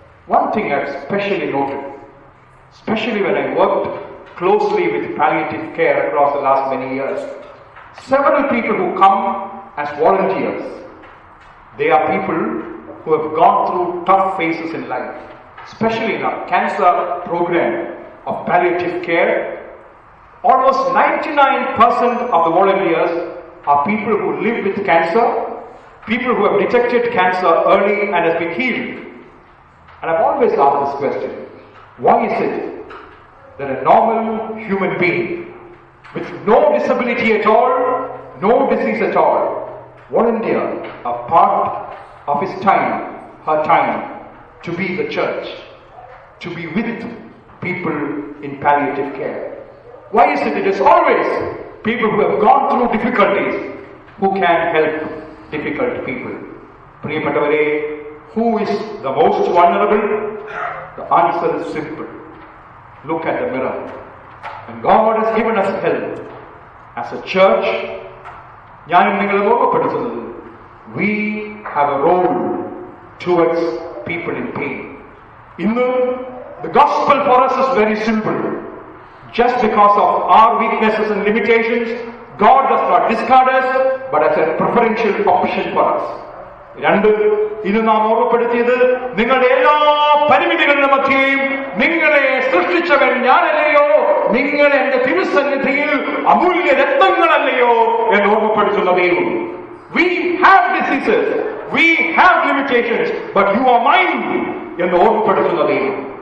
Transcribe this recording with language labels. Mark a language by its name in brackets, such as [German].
[English] One thing I specially noted, specially when I worked closely with palliative care across the last many years, several people who come as volunteers, they are people who have gone through tough phases in life, especially in our cancer program of palliative care. Almost 99% of the volunteers are people who live with cancer, people who have detected cancer early and has been healed. And I've always asked this question, why is it that a normal human being with no disability at all, no disease at all, volunteer a part of his time, her time, to be the church, to be with people in palliative care? Why is it is always people who have gone through difficulties who can help difficult people? [Malayalam] Priyapettavare, [English] who is the most vulnerable? The answer is simple. Look at the mirror. And God has given us help. As a church, [Malayalam] ഞാനും നിങ്ങളെ ഓർമ്മപ്പെടുത്തുന്നത്, [English] we have a role towards people in pain. In the gospel for us is very simple. Just because of our weaknesses and limitations, God does not discard us, but as a preferential option for us. [Malayalam] രണ്ട്, ഇന്ന് നാം ഓർമ്മപ്പെടുത്തിയത്, നിങ്ങളുടെ എല്ലാ പരിമിതികളുടെ മധ്യയും നിങ്ങളെ സൃഷ്ടിച്ചവൻ ഞാനല്ലയോ, നിങ്ങളെ എന്റെ തിരുസന്നിധിയിൽ അമൂല്യ രത്നങ്ങളല്ലയോ എന്ന് ഓർമ്മപ്പെടുത്തുന്ന ദൈവം. [English] We have diseases, we have limitations, but you are mine [Malayalam] എന്ന് ഓർമ്മപ്പെടുത്തുന്ന ദൈവം.